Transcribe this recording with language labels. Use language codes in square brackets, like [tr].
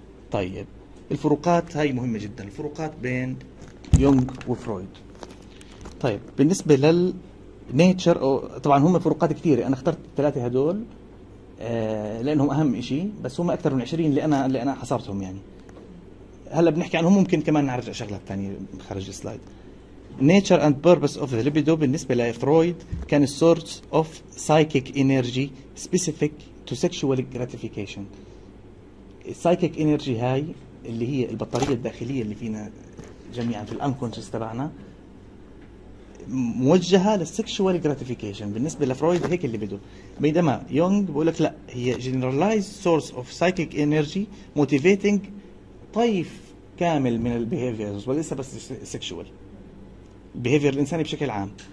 [ar] طيب الفروقات هاي مهمه جدا، الفروقات بين يونغ وفرويد. طيب بالنسبه لل نيتشر، طبعا هم فروقات كثيره، انا اخترت الثلاثه هذول لانهم اهم شيء، بس هم اكثر من 20 اللي انا حصرتهم. يعني هلا بنحكي عنهم، ممكن كمان نرجع شغلات ثانيه خارج السلايد. [en] Nature and purpose of the libido [ar] بالنسبة لفرويد كان [en] source of psychic energy specific to sexual gratification. [ar] psychic energy هاي اللي هي البطارية الداخلية اللي فينا جميعا في الانكونشس تبعنا، موجهة للsexual gratification. بالنسبة لفرويد هيك الليبيدو، بينما يونغ بقولك لا، هي [en] generalized source of psychic energy motivating [ar] طيف كامل من البيهيفيرز، وليس بس sexual behavior الإنساني بشكل عام.